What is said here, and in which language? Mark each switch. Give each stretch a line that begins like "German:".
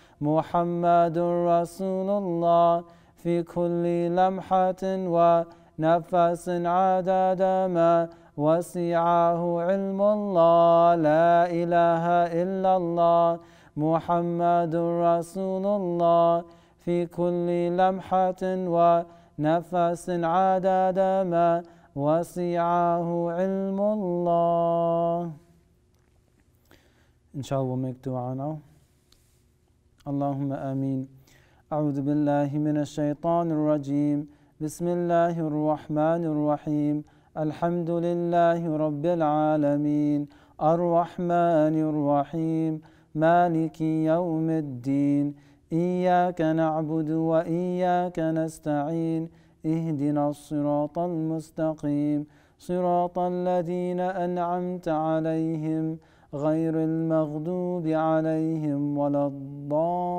Arabic: محمد رسول الله في كل لمحة ونفس عدد ما وسعه علم الله لا إله إلا الله محمد رسول الله في كل لمحة ونفس عدد ما وَسِعَهُ عِلْمُ اللَّهِ
English: Inshallah, we'll make dua now.
Arabic: Allahumma ameen. أعوذ بالله من الشيطان الرجيم بسم الله الرحمن الرحيم الحمد لله رب العالمين الرحمن الرحيم مالك يوم الدين إياك نعبد وإياك نستعين اهدنا الصراط المستقيم صراط الذين أنعمت عليهم غير المغضوب عليهم ولا الضالين